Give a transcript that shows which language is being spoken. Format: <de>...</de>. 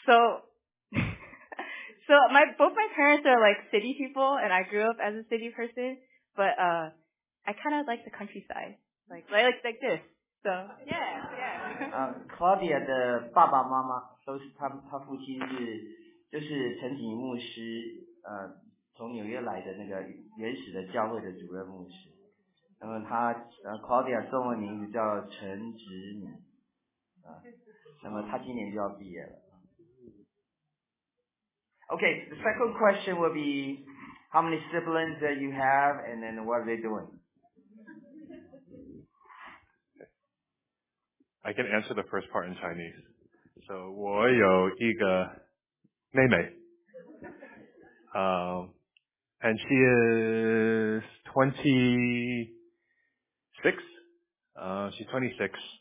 <en>So my, both my parents are like city people and I grew up as a city person, but, I kind of like the countryside. Like this. So, yeah.</en> <zh>Claudia 的爸爸妈妈都是他他父亲是就是陈景牧师从纽约来的那个原始的教会的主任牧师。那么他Claudia 中文名字叫陈植敏。那么他今年就要毕业了。</zh> <en>Okay, the second question will be, how many siblings that you have, and then what are they doing? I can answer the first part in Chinese. So,</en> <zh>我有一个妹妹</zh> <en>and she is 26. She's 26.</en>